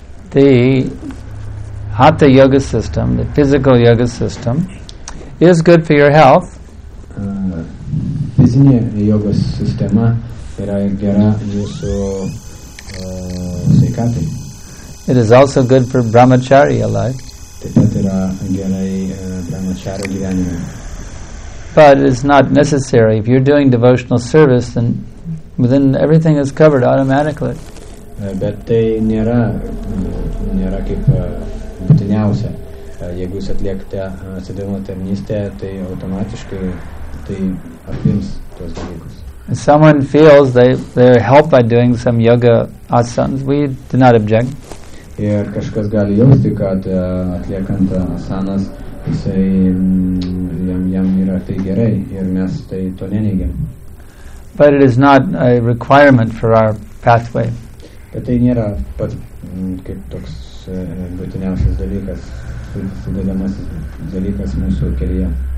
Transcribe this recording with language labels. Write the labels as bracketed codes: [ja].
[en] The Hatha Yoga system, the physical yoga system, is good for your health. [lt] Fizinė yoga sistema yra gera jūsų. [en] It is also good for brahmacharya life. [lt] taip pat yra gerai brahmacharya gyvenime. [en] But it's not necessary. If you're doing devotional service, then everything is covered automatically. [lt] Bet tai nėra kaip būtiniausia. Jeigu jūs atliekate atsidavimo tarnystę, tai automatiškai tai apims tuos dalykus. [en] If someone feels they're helped by doing some yoga asanas, we do not object. [lt] Ir kažkas gali jausti, kad atliekant asanas, jisai jam yra tai gerai, ir mes tai to neneigiam. [en] But it is not a requirement for our pathway. [lt] Bet tai nėra pat kaip toks būtiniausias dalykas, sudėdamasis dalykas mūsų kelyje.